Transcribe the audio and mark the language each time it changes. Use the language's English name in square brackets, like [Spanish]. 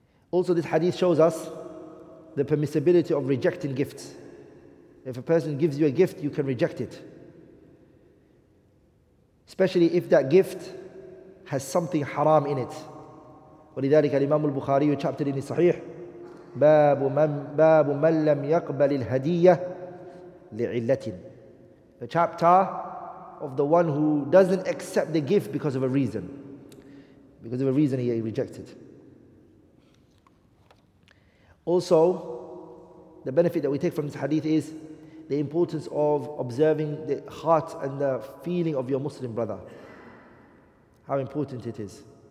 [English] Also, this hadith shows us the permissibility of rejecting gifts. If a person gives you a gift, you can reject it. Especially if that gift has something haram in it. [Arabic] ولذلك الإمام البخاري [English] chapter in his Sahih, [Arabic] باب من لم يقبل الهدية لعلة. [English] The chapter of the one who doesn't accept the gift because of a reason. Because of a reason he rejects it. Also, the benefit that we take from this hadith is the importance of observing the heart and the feeling of your Muslim brother. How important it is.